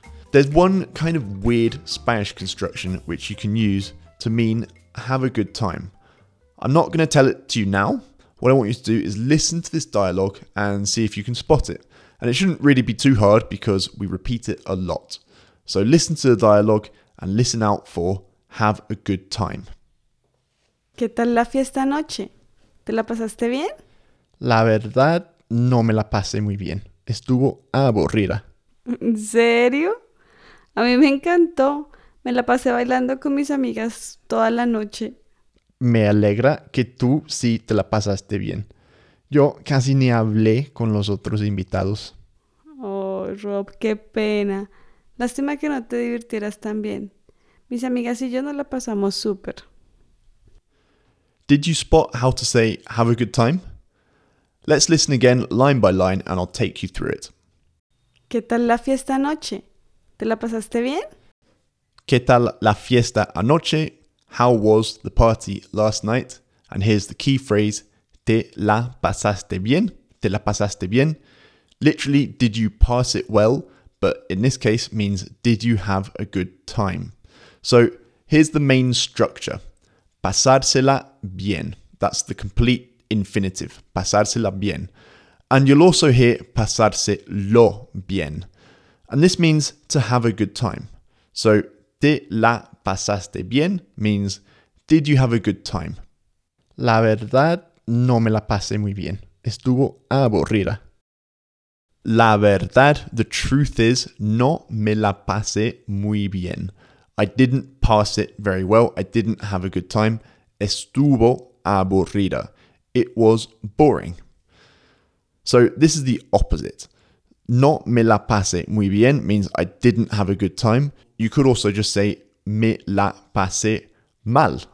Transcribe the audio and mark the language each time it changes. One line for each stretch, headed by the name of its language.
English: There's one kind of weird Spanish construction which you can use to mean have a good time. I'm not going to tell it to you now. What I want you to do is listen to this dialogue and see if you can spot it. And it shouldn't really be too hard because we repeat it a lot. So listen to the dialogue and listen out for have a good time.
Spanish: ¿Qué tal la fiesta anoche? ¿Te la pasaste bien? La verdad, no me la pasé muy bien. Estuvo aburrida. ¿En serio? A mí me encantó. Me la pasé bailando con mis amigas toda la noche. Me alegra que tú sí te la pasaste bien. Yo casi ni hablé con los otros invitados. Oh, Rob, qué pena. Lástima que no te divirtieras tan bien. Mis amigas y yo nos la pasamos súper.
English: Did you spot how to say have a good time? Let's listen again line by line and I'll take you through it.
Spanish: ¿Qué tal la fiesta anoche? ¿Te la pasaste bien? ¿Qué tal la fiesta anoche?
English: How was the party last night? And here's the key phrase,
Spanish: ¿te la pasaste bien?
English: ¿Te la pasaste bien? Literally, did you pass it well? But in this case means, did you have a good time? So here's the main structure. Pasársela bien. That's the complete infinitive. Pasársela bien. And you'll also hear pasárselo bien. And this means to have a good time. So,
Spanish: ¿te la pasaste bien?
English: Means, did you have a good time?
Spanish: La verdad, no me la pasé muy bien. Estuvo aburrida. La verdad,
English: the truth is,
Spanish: no me la pasé muy bien.
English: I didn't pass it very well. I didn't have a good time.
Spanish: Estuvo aburrida.
English: It was boring. So this is the opposite.
Spanish: No me la pasé muy bien
English: means I didn't have a good time. You could also just say
Spanish: me la pasé mal.